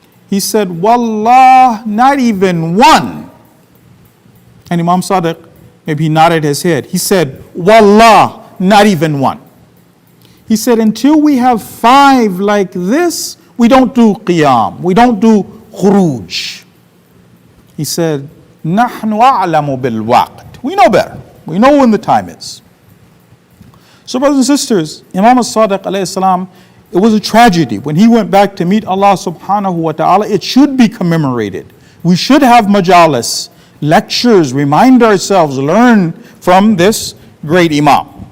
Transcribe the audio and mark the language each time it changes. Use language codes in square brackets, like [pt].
[en] He said, Wallah, not even one. And Imam Sadiq, maybe he nodded his head. He said, Wallah, not even one. He said, until we have five like this, we don't do qiyam. We don't do khuruj. He said, [ar] نَحْنُ أَعْلَمُ بِالْوَقْتِ. [en] We know better. We know when the time is. So brothers and sisters, Imam al-Sadiq alayhi salam, it was a tragedy. When he went back to meet Allah subhanahu wa ta'ala, it should be commemorated. We should have majalis, lectures, remind ourselves, learn from this great imam.